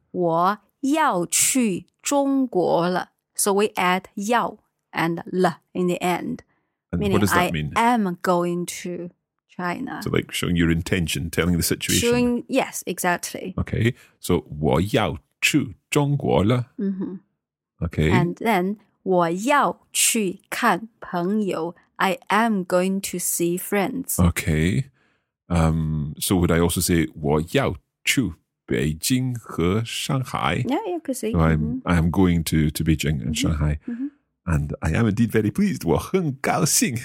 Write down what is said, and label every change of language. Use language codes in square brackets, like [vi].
[zh] 我要去中国了. [en] So we add 要 and 了 in the end. And meaning, what does that mean? I am going to China. So like showing your intention, telling the situation. Showing, yes, exactly. Okay, so [zh] 我要去中国了. [en] Okay. And then [zh] 我要去看朋友. [en] I am going to see friends. Okay. So would I also say [zh] 我要去北京和上海? [en] Yeah, you could say. So I am going to Beijing and Shanghai. And I am indeed very pleased. [zh] 我很高兴.